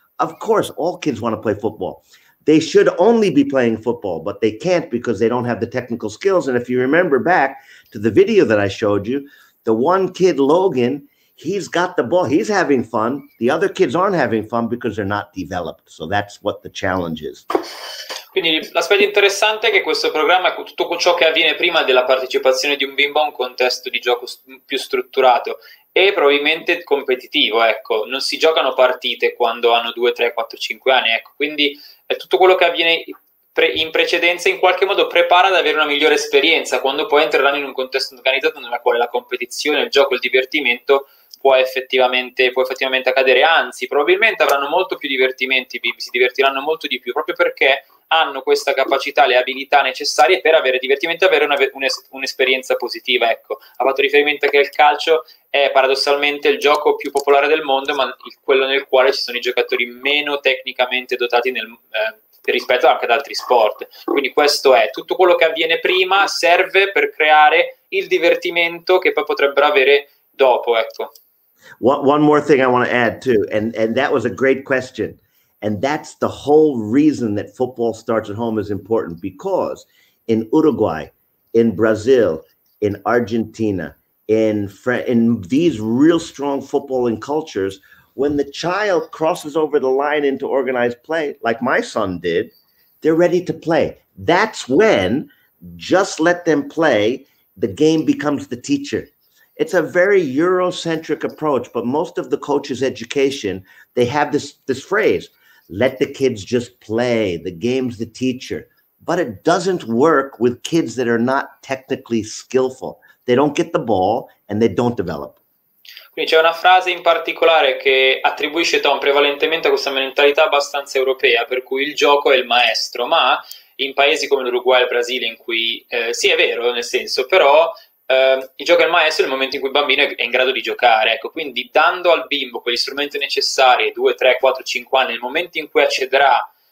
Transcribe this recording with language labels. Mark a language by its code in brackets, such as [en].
[en] Of course, all kids want to play football. They should only be playing football, but they can't because they don't have the technical skills. And if you remember back to the video that I showed you, the one kid, Logan, he's got the ball. He's having fun. The other kids aren't having fun because they're not developed. So that's what the challenge is. [it] Quindi l'aspetto interessante è che questo programma, tutto ciò che avviene prima della partecipazione di un bimbo a un contesto di gioco più strutturato, e probabilmente competitivo, ecco, non si giocano partite quando hanno 2, 3, 4, 5 anni, ecco, quindi è tutto quello che avviene in precedenza in qualche modo prepara ad avere una migliore esperienza, quando poi entreranno in un contesto organizzato nella quale la competizione, il gioco, il divertimento può effettivamente accadere, anzi, probabilmente avranno molto più divertimenti, si divertiranno molto di più, proprio perché hanno questa capacità, le abilità necessarie per avere divertimento e avere un'esperienza positiva, ecco. Ha fatto riferimento che il calcio è paradossalmente il gioco più popolare del mondo, ma quello nel quale ci sono i giocatori meno tecnicamente dotati rispetto anche ad altri sport. Quindi questo è tutto quello che avviene prima, serve per creare il divertimento che poi potrebbero avere dopo, ecco. [en] One more thing I want to add too, and that was a great question. And that's the whole reason that football starts at home is important, because in Uruguay, in Brazil, in Argentina, in these real strong footballing cultures, when the child crosses over the line into organized play, like my son did, they're ready to play. That's when, just let them play, the game becomes the teacher. It's a very Eurocentric approach, but most of the coaches' education, they have this phrase, let the kids just play, the game's the teacher. But it doesn't work with kids that are not technically skillful. They don't get the ball and they don't develop. [it] Quindi c'è una frase in particolare che attribuisce Tom prevalentemente a questa mentalità abbastanza europea, per cui il gioco è il maestro, ma in paesi come l'Uruguay e il Brasile, in cui sì, è vero, nel senso, però il gioco è il maestro nel momento in cui il bambino è in grado di giocare, ecco, quindi dando al bimbo quegli strumenti necessari, 2, 3, 4, 5 anni, nel momento in cui accederà